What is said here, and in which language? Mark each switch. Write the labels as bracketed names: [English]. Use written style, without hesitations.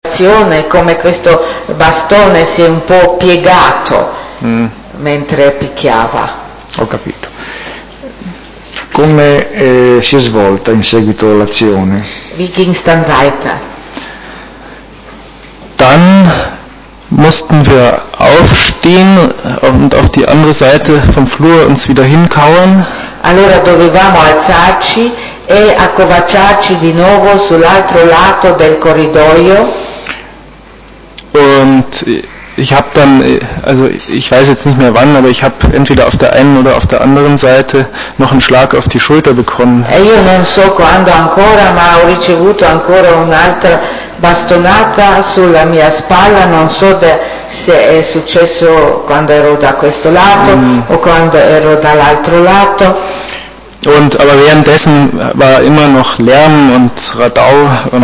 [Italian] sensazione come questo bastone si è un po' piegato mentre picchiava. Ho capito. Come si è svolta in seguito l'azione? [German] Viking stand weiter. Dann mussten wir aufstehen und auf die andere Seite vom Flur uns wieder hinkauern. [Italian] Allora dovevamo alzarci e accovacciarci di nuovo sull'altro lato del corridoio. [German] Und ich habe dann, also ich weiß jetzt nicht mehr wann, aber ich habe entweder auf der einen oder auf der anderen Seite noch einen Schlag auf die Schulter bekommen. [Italian] E io non so quando ancora, ma ho ricevuto ancora un'altra bastonata sulla mia spalla, non so se è successo quando ero da questo lato o quando ero dall'altro lato. [German] Und aber währenddessen war immer noch Lärm und Radau und